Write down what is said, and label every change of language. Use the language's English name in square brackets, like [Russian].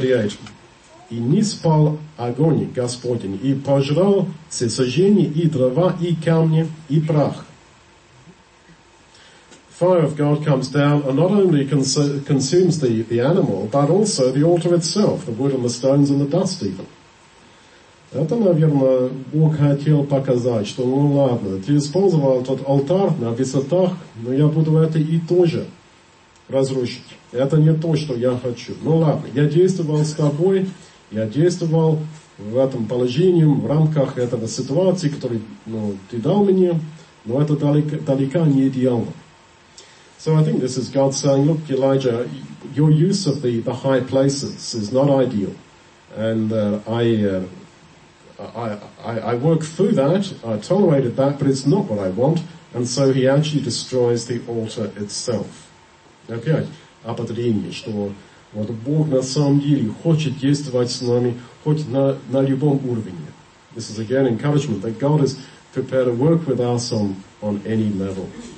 [Russian] 38. И не спал огонь Господень, и пожрал все сожжения, и дрова, и камни, и прах. [English] Fire of God comes down and not only consumes the animal, but also the altar itself, the wood and the stones and the dust even. [Russian] Это, наверное, Бог хотел показать, что, ну ладно, ты использовал тот алтарь на высотах, но я буду это и тоже разрушить. Это не то, что я хочу. Ну ладно, я действовал с тобой, я действовал в этом положении, в рамках этого ситуации, которую, ну, ты дал мне, но это далеко не идеально. [English] So I think this is God saying, look, Elijah, your use of the high places is not ideal. And I work through that, I tolerated that, but it's not what I want. And so he actually destroys the altar itself. [Russian] Опять ободрение, что вот Бог на самом деле хочет действовать с нами хоть на любом уровне. [English] This is again encouragement that God is prepared to work with us on any level.